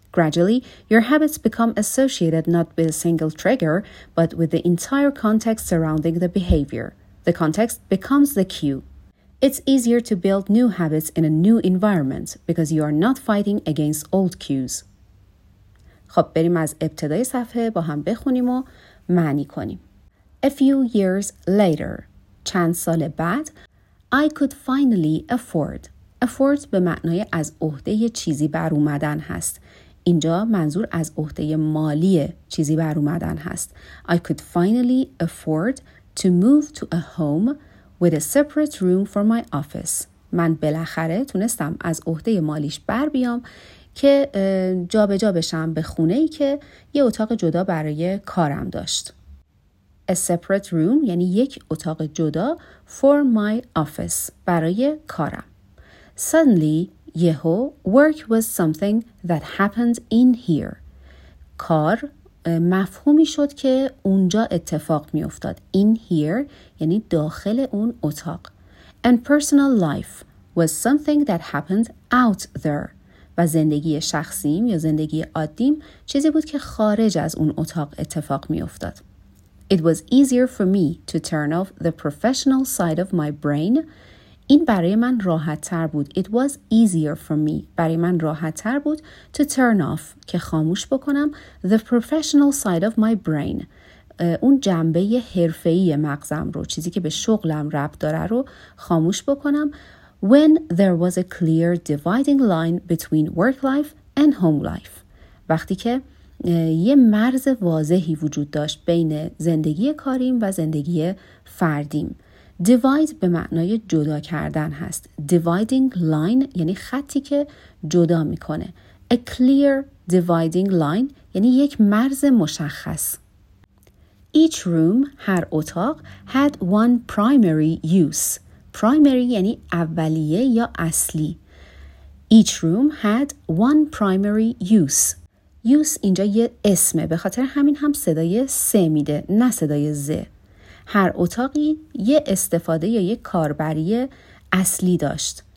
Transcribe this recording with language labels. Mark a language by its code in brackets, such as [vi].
[en] Gradually, your habits become associated not with a single trigger, but with the entire context surrounding the behavior. The context becomes the cue. It's easier to build new habits in a new environment because you are not fighting against old cues. [fa] خب بریم از ابتدای صفحه با هم بخونیم و معنی کنیم. [en] A few years later, [fa] چند سال بعد, [en] I could finally afford. [fa] Afford به معنای از عهده چیزی بر اومدن هست. اینجا منظور از عهده مالی چیزی بر اومدن هست. [en] I could finally afford to move to a home with a separate room for my office. [fa] من بالاخره تونستم از عهده مالیش بر بیام که جا به جا بشم به خونه‌ای که یه اتاق جدا برای کارم داشت. [en] A separate room [fa] یعنی یک اتاق جدا [en] for my office [fa] برای کارم. [en] Suddenly, [fa] یهو, [en] work was something that happened in here. [fa] کار مفهومی شد که اونجا اتفاق می افتاد. [en] In here [fa] یعنی داخل اون اتاق. [en] And personal life was something that happened out there. [fa] و زندگی شخصیم یا زندگی عادیم چیزی بود که خارج از اون اتاق اتفاق می افتاد. [en] It was easier for me to turn off the professional side of my brain. [fa] این برای من راحت تر بود. [en] It was easier for me. [fa] برای من راحت تر بود [en] to turn off [fa] که خاموش بکنم [en] the professional side of my brain. [fa] اون جنبه حرفه‌ای مغزم رو چیزی که به شغلم ربط داره رو خاموش بکنم [en] When there was a clear dividing line between work life and home life. [fa] وقتی که یه مرز واضحی وجود داشت بین زندگی کاریم و زندگی فردیم. Divide به معنای جدا کردن هست. Dividing line یعنی خطی که جدا میکنه. [en] A clear dividing line [fa] یعنی یک مرز مشخص. [en] Each room [fa] هر اتاق [en] had one primary use. [fa] Primary یعنی اولیه یا اصلی. [en] Each room had one primary use. [fa] یوس اینجا یه اسمه، به خاطر همین هم صدای سه میده نه صدای زه. هر اتاقی یه استفاده یا یه کاربری اصلی داشت.